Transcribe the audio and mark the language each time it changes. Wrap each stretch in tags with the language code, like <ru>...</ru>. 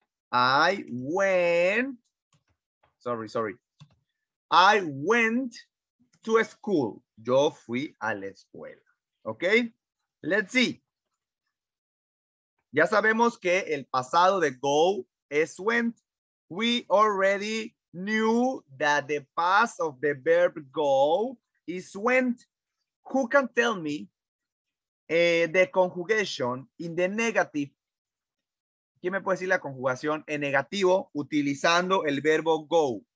<en>I went. Sorry. I went to a school.</en> <es>Yo fui a la escuela.</es> <en>Ok. Let's see.</en> <es>Ya sabemos que el pasado de go es went.</es> <en>We already knew that the past of the verb go is went. Who can tell me the conjugation in the negative?</en> <es>¿Quién me puede decir la conjugación en negativo utilizando el verbo go?</es>